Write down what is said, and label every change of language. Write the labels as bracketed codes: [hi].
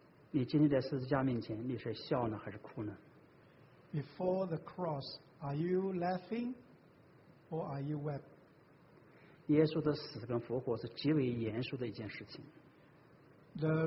[zh] 你今天在十字架面前，你是笑呢还是哭呢？ [en] Before the cross, are you laughing or are you wept? [zh] 耶稣的死跟复活是极为严肃的一件事情。 [en] The